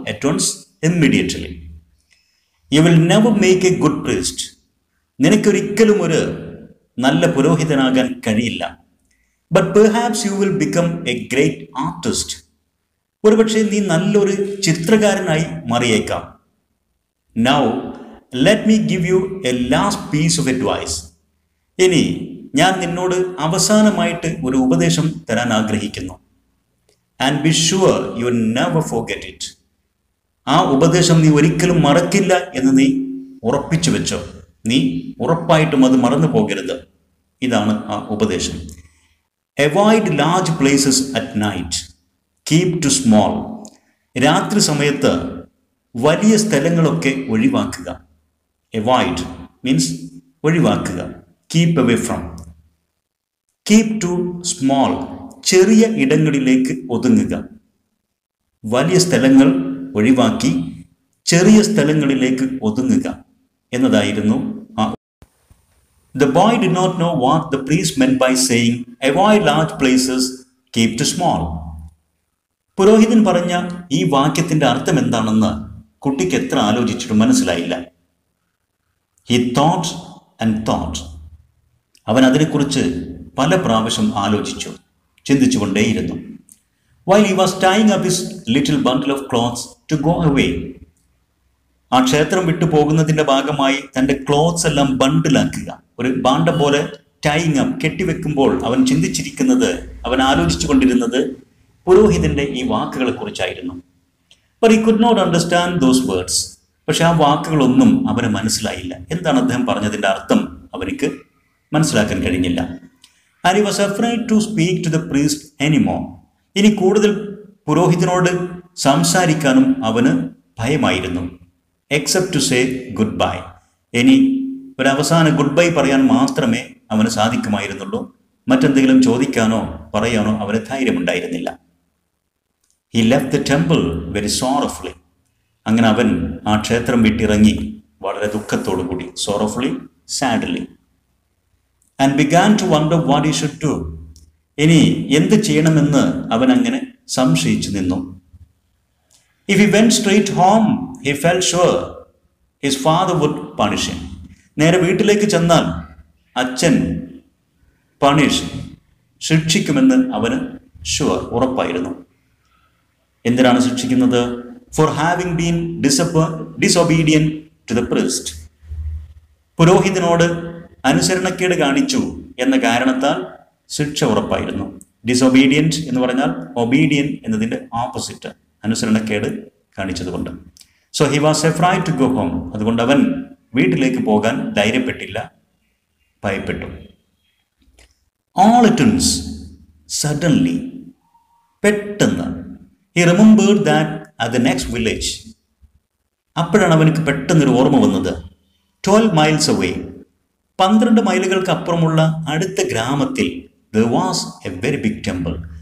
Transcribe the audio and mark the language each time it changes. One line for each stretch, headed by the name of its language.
English: At once, immediately. You will never make a good priest.
Malayalam: നിനക്കൊരിക്കലും ഒരു നല്ല പുരോഹിതനാകാൻ കഴിയില്ല.
English: But perhaps you will become a great artist.
Malayalam: ഒരുപക്ഷെ നീ നല്ലൊരു ചിത്രകാരനായി മാറിയേക്കാം.
English: Now, let me give you a last piece of advice.
Malayalam: ഇനി ഞാൻ നിന്നോട് അവസാനമായിട്ട് ഒരു ഉപദേശം തരാൻ ആഗ്രഹിക്കുന്നു.
English: And be sure you never forget it.
Malayalam: ആ ഉപദേശം നീ ഒരിക്കലും മറക്കില്ല എന്ന് നീ ഉറപ്പിച്ചു വെച്ചോ. നീ ഉറപ്പായിട്ടും അത് മറന്നു പോകരുത്. ഇതാണ് ആ ഉപദേശം.
English: Avoid large places at night. Keep to small.
Malayalam: രാത്രി സമയത്ത് വലിയ സ്ഥലങ്ങളൊക്കെ ഒഴിവാക്കുക.
English: Avoid means ഒഴിവാക്കുക. Keep away from. Keep to small.
Malayalam: ചെറിയ ഇടങ്ങളിലേക്ക് ഒതുങ്ങുക. വലിയ സ്ഥലങ്ങൾ ഒഴിവാക്കി ചെറിയ സ്ഥലങ്ങളിലേക്ക് ഒതുങ്ങുക എന്നതായിരുന്നു ആ.
English: The boy did not know what the priest meant by saying avoid large places, keep to small.
Malayalam: പുരോഹിതൻ പറഞ്ഞ ഈ വാക്യത്തിൻ്റെ അർത്ഥം എന്താണെന്ന് കുട്ടിക്ക് എത്ര ആലോചിച്ചിട്ടും മനസ്സിലായില്ല.
English: He thought and thought.
Malayalam: അവൻ അതിനെക്കുറിച്ച് പല പ്രാവശ്യം ആലോചിച്ചു. ചിന്തിച്ചു കൊണ്ടേയിരുന്നു.
English: While he was tying up his little bundle of clothes to go away,
Malayalam: ആ ക്ഷേത്രം വിട്ടു പോകുന്നതിൻ്റെ ഭാഗമായി തൻ്റെ ക്ലോത്ത്സ് എല്ലാം ബണ്ടിലാക്കുക, ഒരു ബാണ്ട പോലെ ടൈങ് അപ്പ് കെട്ടിവെക്കുമ്പോൾ അവൻ ചിന്തിച്ചിരിക്കുന്നത്, അവൻ ആലോചിച്ചു കൊണ്ടിരുന്നത് പുരോഹിതൻ്റെ ഈ വാക്കുകളെ കുറിച്ചായിരുന്നു.
English: But he could not understand those words.
Malayalam: പക്ഷെ ആ വാക്കുകളൊന്നും അവന് മനസ്സിലായില്ല. എന്താണ് അദ്ദേഹം പറഞ്ഞതിൻ്റെ അർത്ഥം അവനിക്ക് മനസ്സിലാക്കാൻ കഴിഞ്ഞില്ല.
English: And he was afraid to speak to the priest anymore.
Malayalam: ഇനി കൂടുതൽ പുരോഹിതനോട് സംസാരിക്കാനും അവന് ഭയമായിരുന്നു.
English: Except to say goodbye.
Malayalam: ഇനി ഒരു അവസാന ഗുഡ് ബൈ പറയാൻ മാത്രമേ അവന് സാധിക്കുമായിരുന്നുള്ളൂ. മറ്റെന്തെങ്കിലും ചോദിക്കാനോ പറയാനോ അവന് ധൈര്യമുണ്ടായിരുന്നില്ല.
English: He left the temple very sorrowfully.
Malayalam: അങ്ങനെ അവൻ ആ ക്ഷേത്രം വിട്ടിറങ്ങി വളരെ ദുഃഖത്തോടു കൂടി,
English: sorrowfully, sadly. And began to wonder what he should do.
Malayalam: ഇനി എന്ത് ചെയ്യണമെന്ന് അവൻ അങ്ങനെ സംശയിച്ചു നിന്നു.
English: If he went straight home, he felt sure his father would punish him.
Malayalam: നേരെ വീട്ടിലേക്ക് ചെന്നാൽ അച്ഛൻ പണിഷ് ശിക്ഷിക്കുമെന്ന് അവന് ഷുവർ, ഉറപ്പായിരുന്നു. എന്തിനാണ് ശിക്ഷിക്കുന്നത്?
English: for having been disobedient to the priest,
Malayalam: പുരോഹിതനോട് അനുസരണക്കേട് കാണിച്ചു എന്ന കാരണത്താൽ ശിക്ഷ ഉറപ്പായിരുന്നു. ഡിസൊബീഡിയൻറ്റ് എന്ന് പറഞ്ഞാൽ ഒബീഡിയൻ എന്നതിൻ്റെ ആപ്പോസിറ്റ്, അനുസരണക്കേട് കാണിച്ചതുകൊണ്ട്.
English: so he was afraid to go home,
Malayalam: അതുകൊണ്ട് അവൻ വീട്ടിലേക്ക് പോകാൻ ധൈര്യപ്പെട്ടില്ല, ഭയപ്പെട്ടു.
English: All at once, suddenly,
Malayalam: pettanna,
English: he remembered that at the next village.
Malayalam: Appadana avanukku pettanna oru orma vannathu.
English: 12 miles away,
Malayalam: 12 mailukalkku appuramulla adutha gramathil,
English: there was a very big temple.